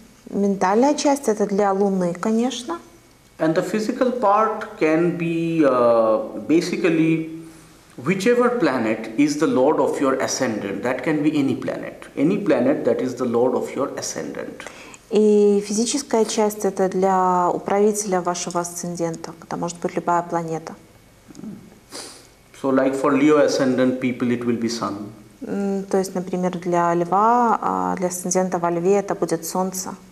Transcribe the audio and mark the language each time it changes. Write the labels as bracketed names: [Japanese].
[Russian] Ментальная часть это для Луны, конечно. [English] And the physical part can be basically whichever planet is the lord of your ascendant, that can be any planet. Any planet that is the lord of your ascendant. [Russian] И физическая часть это для управителя вашего асцендента. Это может быть любая планета. [English] So like for Leo ascendant people it will be Sun. [Russian] То есть, например, для Льва, для асцендента во Льве это будет Солнце.